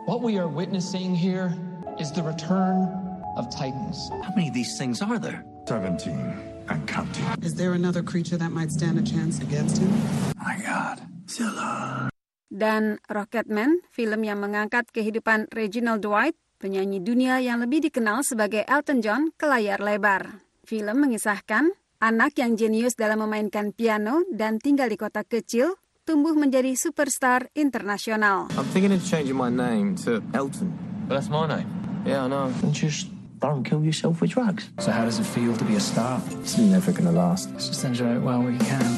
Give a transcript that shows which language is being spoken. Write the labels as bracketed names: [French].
[English] What we are witnessing here is the return of Titans. How many of these things are there? 17 and counting. Is there another creature that might stand a chance against him? My God. Zilla. [Indonesian] Dan Rocketman, film yang mengangkat kehidupan Reginald Dwight, penyanyi dunia yang lebih dikenal sebagai Elton John, ke layar lebar. Film mengisahkan anak yang jenius dalam memainkan piano dan tinggal di kota kecil, tumbuh menjadi superstar internasional. [English] I'm thinking of changing my name to Elton. But that's my name. Yeah, I know. And just don't kill yourself with drugs. So how does it feel to be a star? It's never gonna last. Let's just enjoy it while we can.